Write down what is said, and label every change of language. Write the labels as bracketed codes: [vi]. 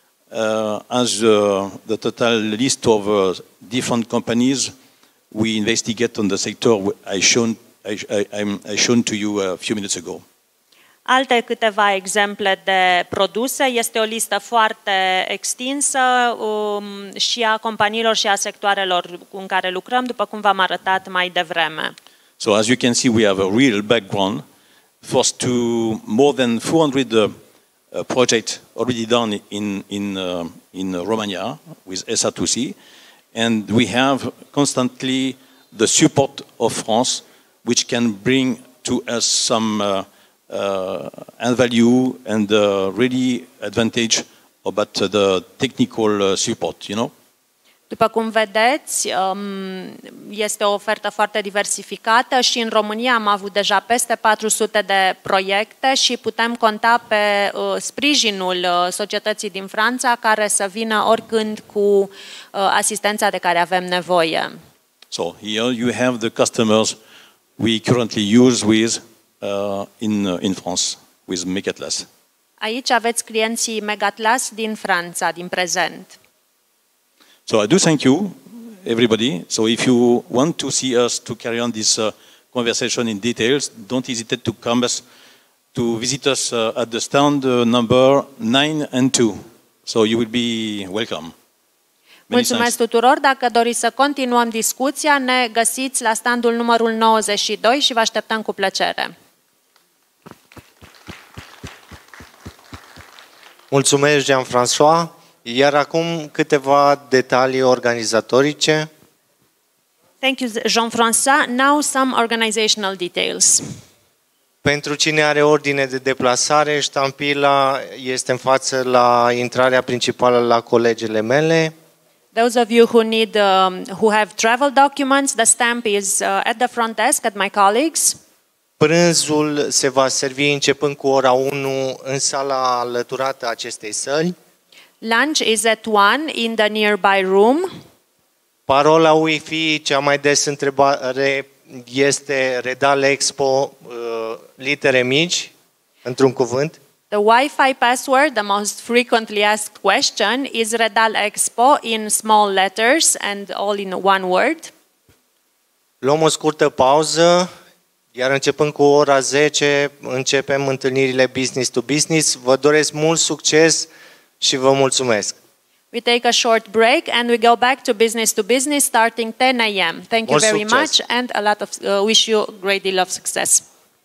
[en] As the total list of different companies we investigate on the sector I shown to you a few minutes ago. [ro] Alte câteva exemple de produse, este o listă foarte extinsă și a companiilor și a sectoarelor cu care lucrăm, după cum v-am arătat mai devreme. [en] So as you can see, we have a real background for to more than 400 a project already done in Romania with SR2C, and we have constantly the support of France, which can bring to us some value and really advantage about the technical support, you know. [ro] După cum vedeți, este o ofertă foarte diversificată și în România am avut deja peste 400 de proiecte și putem conta pe sprijinul societății din Franța care să vină oricând cu asistența de care avem nevoie. [en] So, here you have the customers we currently use with in France with Megatlas. [ro] Aici aveți clienții Megatlas din Franța din prezent. [en] So I do thank you, everybody. So if you want to see us to carry on this conversation in details, don't hesitate to come us to visit us at the stand number 9 and 2. So you will be welcome. [ro] Mulțumesc tuturor. Dacă doriți să continuăm discuția, ne găsiți la standul numărul 92 și vă așteptăm cu plăcere. Mulțumesc, Jean-François. Iar acum câteva detalii organizatorice. [en] Thank you, Jean-François. Now some organizational details. [ro] Pentru cine are ordine de deplasare, ștampila este în față la intrarea principală la colegele mele. [en] Those of you who need who have travel documents, the stamp is at the front desk at my colleagues. [ro] Prânzul se va servi începând cu ora 1 în sala alăturată acestei săli. [en] Lunch is at 1 in the nearby room. [ro] Parola Wi-Fi, cea mai des întrebare este Redal Expo, litere mici, într-un cuvânt. [en] The Wi-Fi password, the most frequently asked question, is Redal Expo in small letters and all in one word. [ro] Luăm o scurtă pauză, iar începând cu ora 10, începem întâlnirile business to business. Vă doresc mult succes și vă mulțumesc. [en] We take a short break and we go back to business starting 10 a.m. Thank you very much and a lot of wish you a great deal of success.